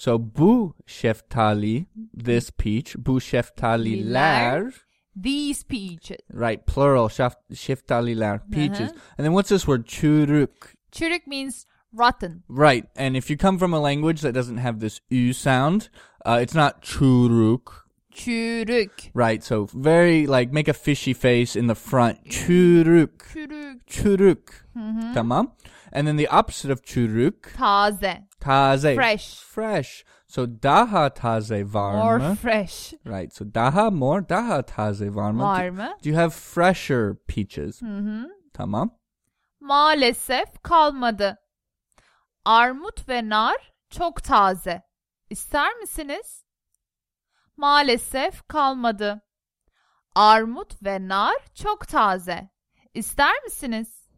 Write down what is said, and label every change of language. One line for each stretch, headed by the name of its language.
Turkish: So bu şeftali,
English: this peach,
Turkish: bu şeftaliler.
English: These peaches. Right. Plural. Şeftaliler. Peaches. Uh-huh. And then what's this word?
Turkish: Çürük.
English: Çürük means rotten. Right. And if you come from a language that doesn't have this ü sound, it's not çürük.
Turkish: Çürük.
English: Right, so very, like, make a fishy face in the front.
Turkish: Çürük. Çürük.
English: Çürük. Mm-hmm.
Turkish: Tamam.
English: And then the opposite of çürük.
Turkish: Taze. Taze.
English: Fresh. Fresh. So
Turkish: daha taze varma.
English: More fresh. Right, so
Turkish: daha
English: more
Turkish: daha taze varma. Varma.
English: Do you have fresher peaches? Mm-hmm.
Turkish: Tamam. Maalesef kalmadı. Armut ve nar çok taze. İster misiniz? Maalesef kalmadı. Armut ve nar çok taze. İster misiniz?